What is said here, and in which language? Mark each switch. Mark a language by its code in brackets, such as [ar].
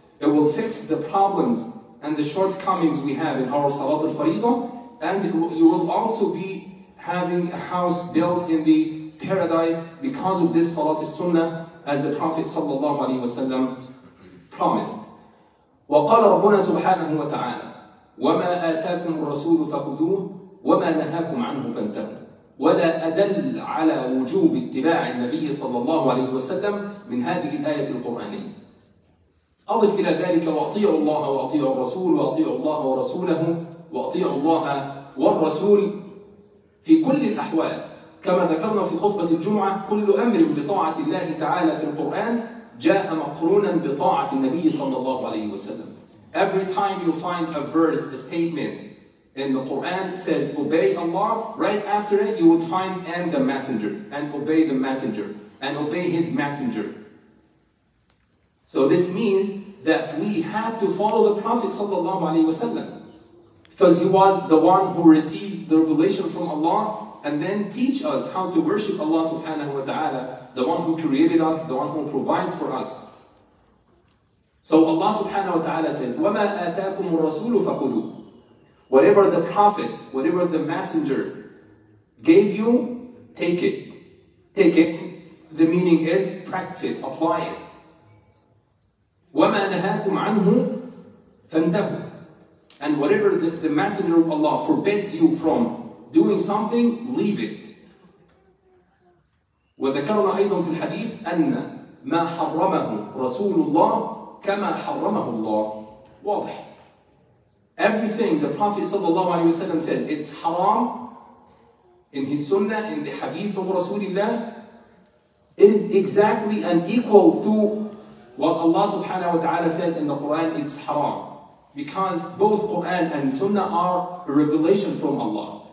[en] It will fix the problems and the shortcomings we have in our Salat al-Fariidah, and you will also be having a house built in the paradise because of this Salat al-Sunnah, as the Prophet sallallahu alaihi wasallam promised. [ar] وقال ربنا سبحانه وتعالى وما آتاكم الرسول فخذوه وما نهاكم عنه فانتهوا ولا أدل على وجوب اتباع النبي صلى الله عليه وسلم من هذه الآية القرآنية. أضف إلى ذلك وأطيعوا الله وأطيعوا الرسول وأطيعوا الله ورسوله وأطيعوا الله والرسول في كل الأحوال. كما ذكرنا في خطبة الجمعة كل أمر بطاعة الله تعالى في القرآن جاء مقرونا بطاعة النبي صلى الله عليه وسلم. [en] Every time you find a verse, a statement in the Quran says obey Allah, right after it you would find and the messenger, and obey the messenger, and obey his messenger. So this means that we have to follow the Prophet [ar] صلى الله عليه وسلم, [en] because he was the one who received the revelation from Allah and then teach us how to worship Allah subhanahu wa ta'ala, the one who created us, the one who provides for us. So Allah subhanahu wa ta'ala said, [ar] وَمَا آتَاكُمُ الرَّسُولُ فَخُذُوا. [en] Whatever the Prophet, whatever the Messenger gave you, take it. Take it, the meaning is practice it, apply it. [ar] وَمَا نَهَاكُمْ عَنْهُ فَانْتَهُوا. [en] And whatever the Messenger of Allah forbids you from doing something, leave it. [ar] وذكرنا أيضا في الحديث أن ما حرمه رسول الله كما حرمه الله. واضح. [en] Everything the Prophet sallallahu alayhi wa sallam says, it's haram in his sunnah, in the hadith of Rasulullah, it is exactly and equal to what Allah subhanahu wa ta'ala said in the Quran, it's haram. Because both Quran and sunnah are a revelation from Allah.